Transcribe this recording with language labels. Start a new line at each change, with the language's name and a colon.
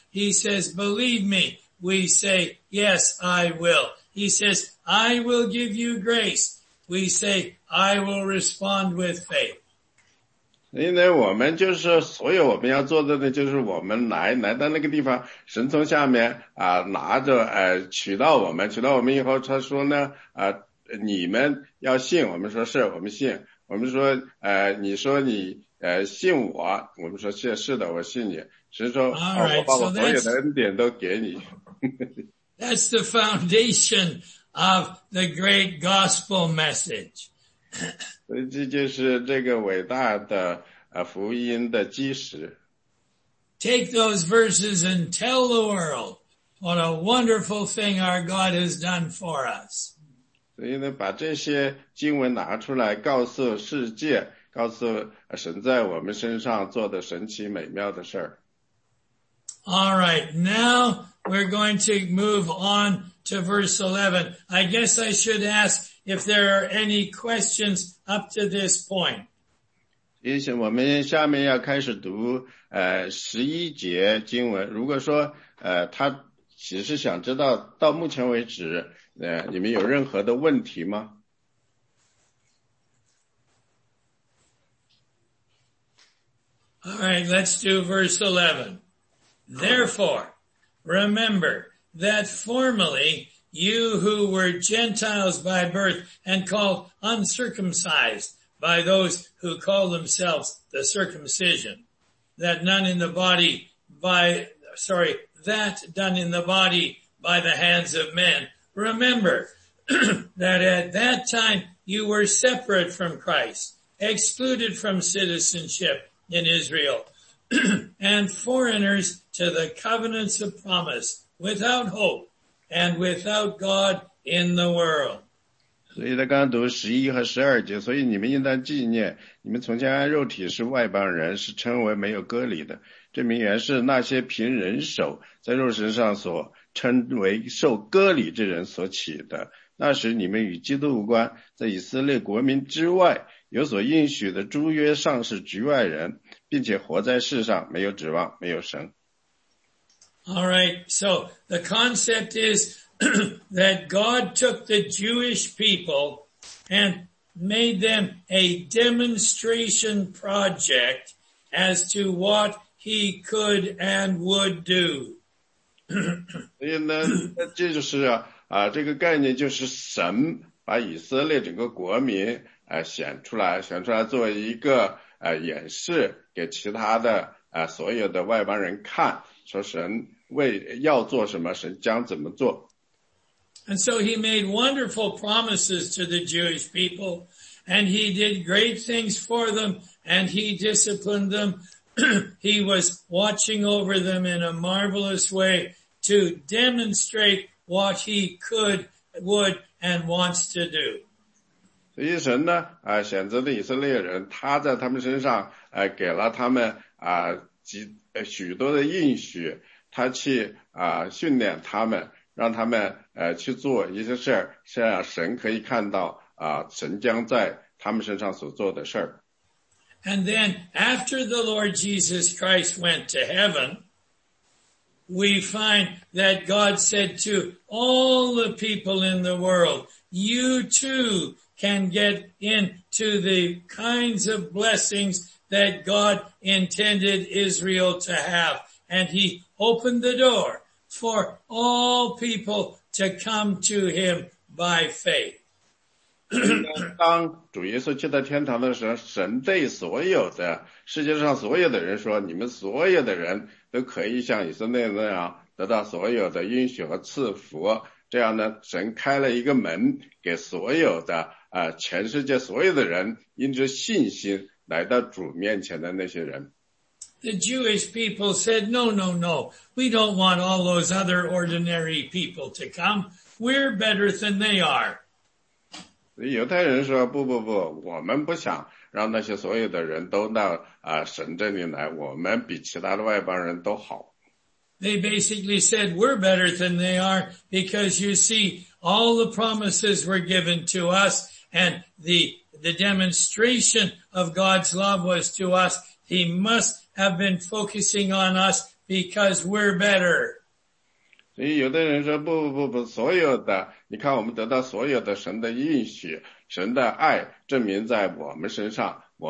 English: He says, believe me. We say, yes, I will. He says, I will give you grace. We say, I will respond with faith.
Chinese: 因为我们就是所有我们要做的呢，就是我们来到那个地方，神从下面拿着取到我们以后，他说呢你们要信，我们说是，我们信，我们说你说你信我，我们说是的，我信你。神说
English: All right,
Chinese: 我把我所有的恩典都给你。
English: That's the foundation of the great gospel message.
Chinese: 所以这就是这个伟大的福音的基石。
English: Take those verses and tell the world what a wonderful thing our God has done for us.
Chinese: 所以呢，把这些经文拿出来，告诉世界，告诉神在我们身上做的神奇美妙的事儿。
English: All right, now we're going to move on to verse 11. I guess I should ask if there are any questions up to this point.
Chinese: 我们下面要开始读11节经文。如果说他其实想知道到目前为止你们有任何的问题吗？
English: All right, let's do verse 11. Therefore, remember that formerly you who were Gentiles by birth and called uncircumcised by those who call themselves the circumcision, that done in the body by the hands of men. Remember that at that time you were separate from Christ, excluded from citizenship in Israel, and foreigners to the covenants of promise, without hope and without God in the world.
Chinese: 所以他刚读11和12节，所以你们应当纪念，你们从前按肉体是外邦人，是称为没有割礼的，这名原是那些凭人手在肉身上所称为受割礼之人所起的。那时你们与基督无关，在以色列国民之外，有所应许的诸约上是局外人，并且活在世上，没有指望，没有神。
English: All right, so the concept is that God took the Jewish people and made them a demonstration project as to what he could and would do.
Chinese: 所以呢，这就是这个概念就是神把以色列整个国民显出来做一个演示给其他的所有的外邦人看，说神为要做什么，神将怎么做。
English: And so he made wonderful promises to the Jewish people, and he did great things for them, and he disciplined them. He was watching over them in a marvelous way to demonstrate what he could, would, and wants to do.
Chinese: 所以神呢，选择的以色列人，他在他们身上，给了他们，许多的应许，他去，训练他们，让他们去做一些事儿，是让神可以看到神将在他们身上所做的事儿。
English: And then after the Lord Jesus Christ went to heaven, we find that God said to all the people in the world, you too can get into the kinds of blessings that God intended Israel to have. And he opened the door for all people to come to him by faith.
Chinese: 当主耶稣去到天堂的时候，神对所有的世界上所有的人说，你们所有的人都可以像以色列那样得到所有的应许和赐福。这样呢，神开了一个门给所有的全世界所有的人因着信心来到主面前的那些人。
English: The Jewish people said, no, no, no, we don't want all those other ordinary people to come. We're better than they are.
Chinese: 犹太人说，不不不，我们不想让那些所有的人都到神这里来，我们比其他的外邦人都好。
English: They basically said, we're better than they are because you see, all the promises were given to us and the demonstration of God's love was to us. He must have been focusing on us because we're better.
Chinese: 所以有的人说，不不不不，所有的，你看我们得到所有的神的应许，神的爱证明在我们身上，